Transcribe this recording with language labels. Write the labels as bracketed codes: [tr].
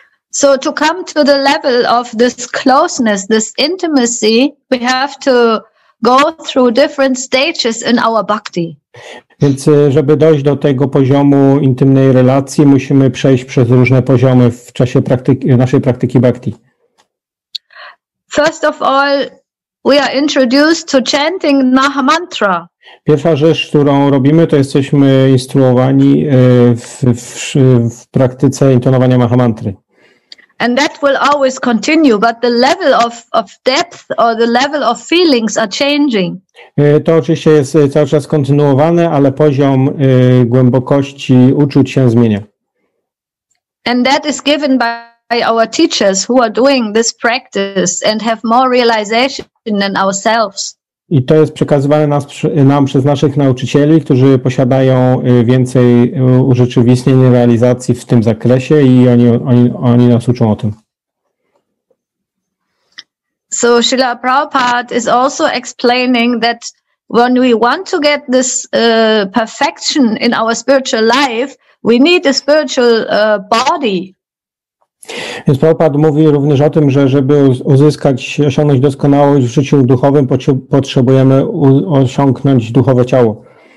[en] So to come to the level of this closeness, this intimacy, we have to go through different stages in our bhakti. [pl] Więc żeby dojść do tego poziomu intymnej relacji, musimy przejść przez różne poziomy w czasie naszej praktyki bhakti. [en] First of all, we are introduced to chanting Naha Mantra. [pl] Pierwsza rzecz, którą robimy, to jesteśmy instruowani w praktyce intonowania Maha Mantry. [en] And that will always continue, but the level of depth or the level of feelings are changing. [pl] To oczywiście jest cały czas kontynuowane, ale poziom głębokości uczuć się zmienia. [en] And that is given by our teachers who are doing this practice and have more realization than ourselves. [pl] I to jest przekazywane nam przez naszych nauczycieli, którzy posiadają więcej urzeczywistnień, realizacji w tym zakresie i oni nas uczą o tym. [en] So Srila Prabhupada is also explaining that when we want to get this perfection in our spiritual life, we need a spiritual body. [pl] Więc Prabhupada mówi również o tym, że żeby uzyskać, osiągnąć doskonałość w życiu duchowym, potrzebujemy osiągnąć duchowe ciało.